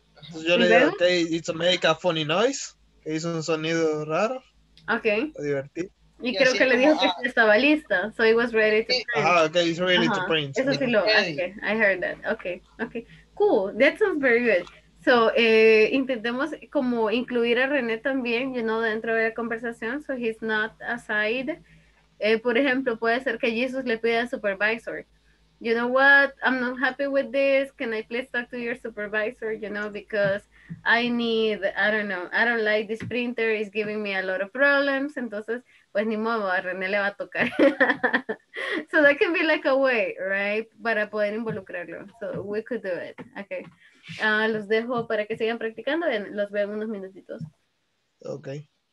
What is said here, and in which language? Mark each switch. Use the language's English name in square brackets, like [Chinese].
[English] So [Spanish] yo le digo, [English] okay, it's make a funny noise. [Spanish] Que hizo un sonido raro. [English] Okay. [Spanish] O divertido. Y creo así, que le dijo que estaba lista. [English] So it was ready to print. Ah, okay, it's ready to print. [Spanish] Eso sí lo, [English] okay, I heard that. Okay. Cool, that sounds very good. [Spanish] So, intentemos como incluir a René también, you know, dentro de la conversación. [English] So he's not aside. [Spanish] Por ejemplo, puede ser que Jesus le pida a supervisor, [English] you know what, I'm not happy with this. Can I please talk to your supervisor, you know, because I need, I don't know, I don't like this printer. It's giving me a lot of problems. [Spanish] Entonces, pues ni modo, a René le va a tocar. [English] So that can be like a way, right? [Spanish] Para poder involucrarlo. [English] So we could do it. [Spanish] Okay. Los dejo para que sigan practicando. Los veo en unos minutitos. [English] Okay.